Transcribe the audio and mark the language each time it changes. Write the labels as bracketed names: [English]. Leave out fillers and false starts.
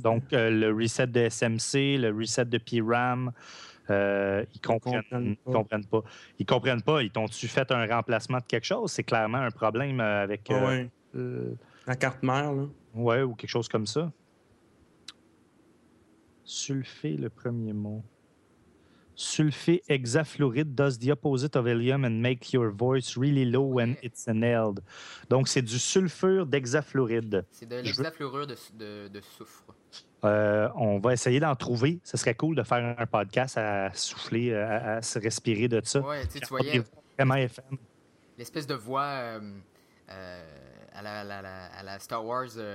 [French] Donc, le reset de SMC, le reset de PRAM... Ils comprennent pas. Ils comprennent pas. Ils t'ont-tu fait un remplacement de quelque chose? C'est clairement un problème avec... La carte mère, là. Ouais, ou quelque chose comme ça. Sulfé, le premier mot. [English] Sulfé hexafluoride does the opposite of helium and make your voice really low when it's inhaled. [French] Donc, c'est du sulfure d'hexafluoride. C'est de l'hexafluorure de soufre. On va essayer d'en trouver. Ce serait cool de faire un podcast à souffler, à se respirer de ça. Ouais, tu voyais vraiment FM. L'espèce de voix à la Star Wars.